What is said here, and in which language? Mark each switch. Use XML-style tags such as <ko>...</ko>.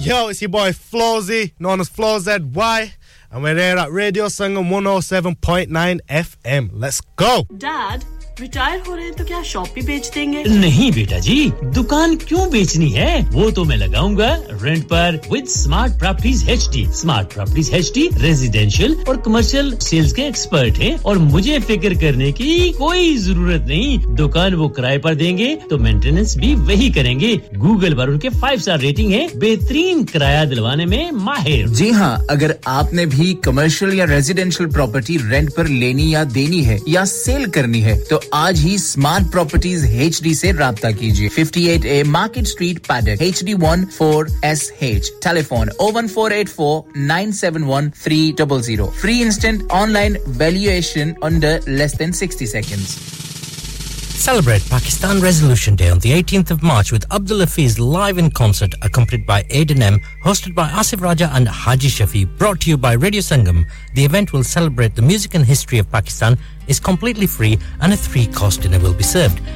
<en>it's your boy Flozy, known as FloZY, and we're here at Radio Sangam 107.9 FM. Let's go!</en> <hi>Dad, retire हो रहे हैं तो क्या shop भी बेच देंगे नहीं बेटा जी दुकान क्यों बेचनी है वो तो मैं लगाऊंगा रेंट पर with smart properties HD smart properties HD residential और कमर्शियल सेल्स के एक्सपर्ट हैं और मुझे फिक्र करने की कोई जरूरत नहीं दुकान वो किराए पर देंगे तो मेंटेनेंस भी वही करेंगे गूगल पर उनके 5 स्टार रेटिंग है बेहतरीन किराया दिलवाने में माहिर जी हां अगर आपने भी कमर्शियल या रेजिडेंशियल प्रॉपर्टी रेंट पर लेनी या देनी है या सेल करनी है तो आज ही स्मार्ट प्रॉपर्टीज एचडी से राबता कीजिए 58A market street paddock HD14SH telephone 01484971300</hi> <en>Free instant online valuation under less than 60 seconds Celebrate Pakistan Resolution Day on the 18th of March with Abdul Hafiz live in concert, accompanied by Aidan M, hosted by Asif Raja and Haji Shafi, brought to you by Radio Sangam. The event will celebrate the music and history of Pakistan, is completely free, and a three-course dinner will be served.</en>